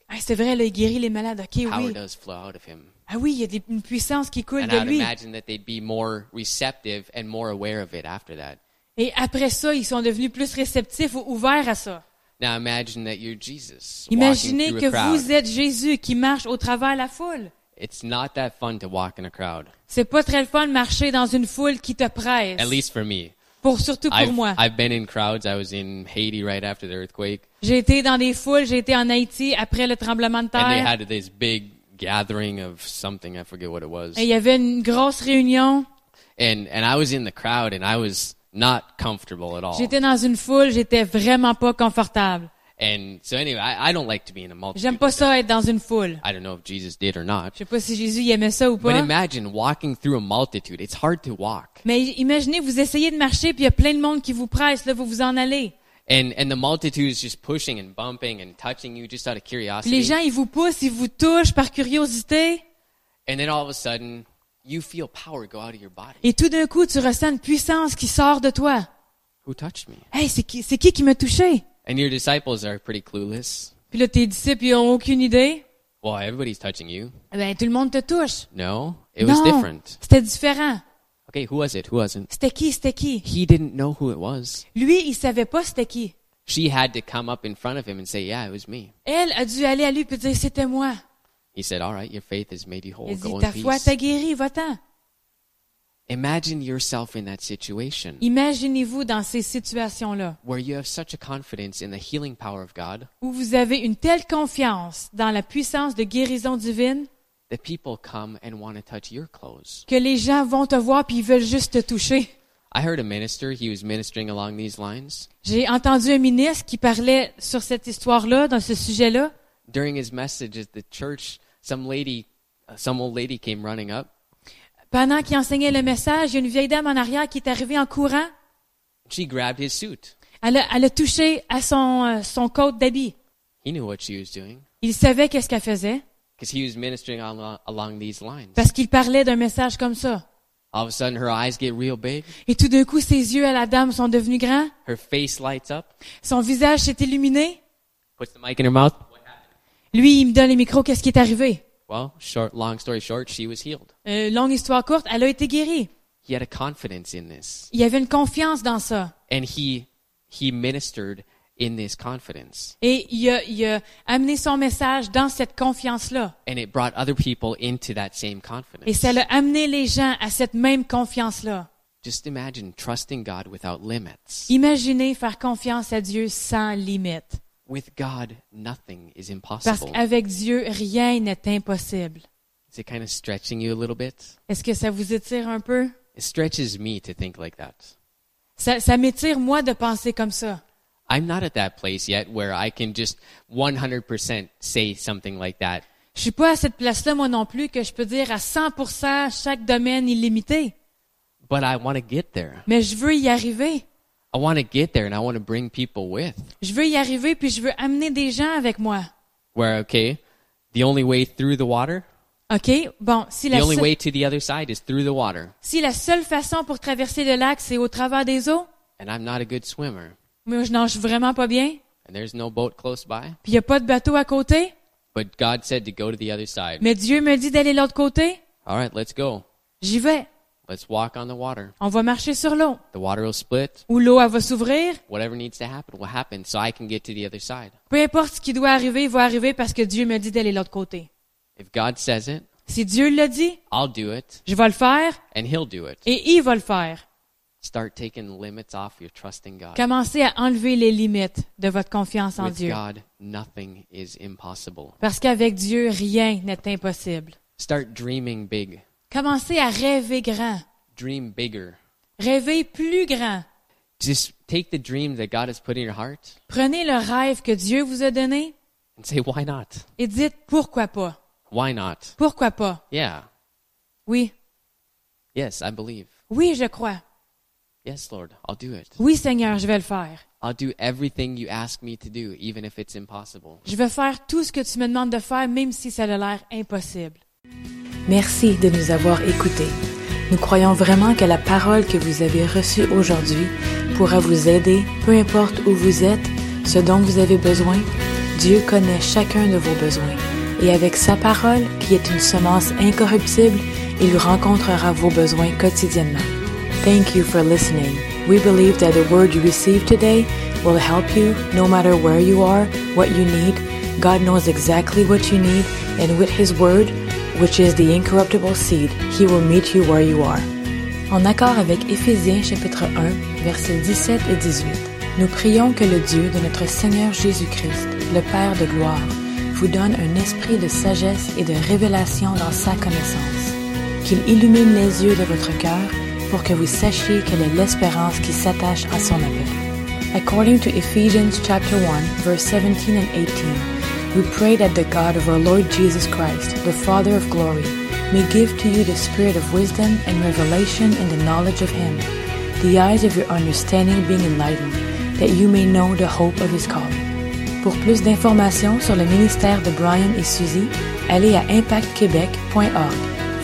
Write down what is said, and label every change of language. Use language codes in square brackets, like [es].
[fr] Ah, c'est vrai, là, il guérit les malades. [en] Okay, power [fr] oui. [en] Power does flow out of him. [fr] Ah oui, il y a une puissance qui coule [en] and [fr] de [en] I'd [fr] lui. [en] And I imagine that they'd be more receptive and more aware of it after that. [fr] Et après ça, ils sont devenus plus réceptifs ou ouverts à ça. [en] Now imagine that you're Jesus. [fr] Imaginez que vous êtes Jésus qui marche au travers de la foule. [en] It's not that fun to walk in a crowd. [fr] C'est pas très le fun de marcher dans une foule qui te presse. [en] At least for me. [fr] Surtout pour moi. [en] I've been in crowds. I was in Haiti right after the earthquake. [fr] J'ai été dans des foules. J'ai été en Haïti après le tremblement de terre. [en] And they had this big gathering of something. I forget what it was. [fr] Et il y avait une grosse réunion. [en] And I was in the crowd and I was not comfortable at all. [fr] J'étais dans une foule, j'étais vraiment pas confortable. [en] And so anyway, I don't like to be in a multitude. [fr] J'aime pas ça être dans une foule. [en] I don't know if Jesus did or not. [fr] Je sais pas si Jésus aimait ça ou pas. [en] But imagine walking through a multitude. It's hard to walk. [fr] Mais imaginez vous essayez de marcher puis il y a plein de monde qui vous presse là, vous en allez. [en] And the multitude is just pushing and bumping and touching you just out of curiosity. [fr] Les gens ils vous poussent, ils vous touchent par curiosité. [en] And then all of a sudden you feel power go out of your body. [fr] Et tout d'un coup, tu ressens une puissance qui sort de toi. [en] Who touched me? [fr] Hey, c'est qui m'a touché? [en] And your disciples are pretty clueless. [fr] Puis là, tes disciples, ils ont aucune idée. [en] Well, everybody's touching you. [fr] Eh ben, tout le monde te touche. [en] No, it was different. [fr] C'était différent. [en] Okay, who was it? Who wasn't? [fr] C'était qui? [en] He didn't know who it was. [fr] Lui, il savait pas c'était qui. [en] She had to come up in front of him and say, yeah, it was me. [fr] Elle a dû aller à lui puis dire, c'était moi. [en] He said, all right, your faith has made you whole. [fr] Il dit, ta foi t'a guéri, va-t'en. [en] Imagine yourself in that situation. [fr] Imaginez-vous dans ces situations-là. [en] Where you have such a confidence in the healing power of God. [fr] Où vous avez une telle confiance dans la puissance de guérison divine. [en] That people come and want to touch your clothes. [fr] Que les gens vont te voir puis ils veulent juste te toucher. [en] I heard a minister, he was ministering along these lines. [fr] J'ai entendu un ministre qui parlait sur cette histoire-là, dans ce sujet-là. [en] During his message at the church, some old lady came running up. [fr] Pendant qu'il enseignait le message, il y a une vieille dame en arrière qui est arrivée en courant. [en] She grabbed his suit. [fr] Elle a touché à son coat d'habit. [en] He knew what she was doing. [fr] Il savait qu'est-ce qu'elle faisait. [en] Because he was ministering along these lines. [fr] Parce qu'il parlait d'un message comme ça. [en] All of a sudden, her eyes get real big. [fr] Et tout d'un coup, ses yeux à la dame sont devenus grands. [en] Her face lights up. [fr] Son visage s'est illuminé. [en] Puts the mic in her mouth. What happened? [fr] Lui, il me donne les micros. Qu'est-ce qui est arrivé? [en] Well, long story short, she was healed. [fr] Longue histoire courte, elle a été guérie. [en] He had a confidence in this. [fr] Il avait une confiance dans ça. [en] And he ministered in this confidence. [fr] Et il a amené son message dans cette confiance-là. [en] And it brought other people into that same confidence. [fr] Et ça l'a amené les gens à cette même confiance-là. [en] Just imagine trusting God without limits. [fr] Imaginez faire confiance à Dieu sans limites. [en] With God, nothing is impossible. [fr] Parce qu'avec Dieu, rien n'est impossible. [en] Is it kind of stretching you a little bit? [fr] Est-ce que ça vous étire un peu? [en] It stretches me to think like that. [fr] Ça m'étire moi de penser comme ça. [en] I'm not at that place yet where I can just 100% say something like that. [fr] Je suis pas à cette place-là moi non plus que je peux dire à 100% chaque domaine illimité. [en] But I want to get there. [fr] Mais je veux y arriver. [en] I want to get there and I want to bring people with. [fr] Je veux y arriver puis je veux amener des gens avec moi. [en] Where, okay, the only way through the water? [fr] Okay, bon, si [en] the only way to the other side is through the water. [fr] Si la seule façon pour traverser le lac c'est au travers des eaux? [en] And I'm not a good swimmer. [fr] Mais je nage vraiment pas bien. [en] And there's no boat close by. [fr] Puis il n'y a pas de bateau à côté. [en] But God said to go to the other side. [fr] Mais Dieu me dit d'aller l'autre côté. [en] All right, let's go. [fr] J'y vais. [en] Let's walk on the water. [fr] On va marcher sur l'eau. [en] The water will split. [fr] Ou l'eau elle va s'ouvrir. [en] Whatever needs to happen will happen so I can get to the other side. [fr] Peu importe ce qui doit arriver, il va arriver parce que Dieu me dit d'aller l'autre côté. [en] If God says it, [fr] si Dieu l'a dit, [en] I'll do it, [fr] je vais le faire. [en] And he'll do it. [fr] Et il va le faire. [en] Start taking limits off your trusting God. [fr] Commencez à enlever les limites de votre confiance en [en] With [fr] Dieu. [en] God, nothing is impossible. [fr] Parce qu'avec Dieu, rien n'est impossible. [en] Start dreaming big. [fr] Commencez à rêver grand. [en] Dream bigger. [fr] Rêvez plus grand. [en] Just take the dream that God has put in your heart. [fr] Prenez le rêve que Dieu vous a donné. [en] And say, why not? [fr] Et dites pourquoi pas. [en] Why not? [fr] Pourquoi pas? [en] Yeah. [fr] Oui. [en] Yes, I believe. [fr] Oui, je crois. [en] Yes, Lord, I'll do it. [fr] Oui, Seigneur, je vais le faire. [en] I'll do everything you ask me to do, even if it's impossible. [fr] Je vais faire tout ce que tu me demandes de faire, même si ça a l'air impossible. Merci de nous avoir écoutés. Nous croyons vraiment que la parole que vous avez reçue aujourd'hui pourra vous aider, peu importe où vous êtes, ce dont vous avez besoin. Dieu connaît chacun de vos besoins. Et avec sa parole, qui est une semence incorruptible, il rencontrera vos besoins quotidiennement. [en] Thank you for listening. We believe that the word you received today will help you no matter where you are, what you need. God knows exactly what you need, and with His word, which is the incorruptible seed, He will meet you where you are. [fr] En accord avec Éphésiens chapitre 1, versets 17 et 18, nous prions que le Dieu de notre Seigneur Jésus-Christ, le Père de gloire, vous donne un esprit de sagesse et de révélation dans sa connaissance, qu'il illumine les yeux de votre cœur, pour que vous sachiez quelle est l'espérance qui s'attache à son appel. [en] According to Ephesians chapter 1, verse 17 and 18, we pray that the God of our Lord Jesus Christ, the Father of glory, may give to you the spirit of wisdom and revelation in the knowledge of Him, the eyes of your understanding being enlightened, that you may know the hope of His calling. [fr] Pour plus d'informations sur le ministère de Brian et Suzy, allez à impactquebec.org.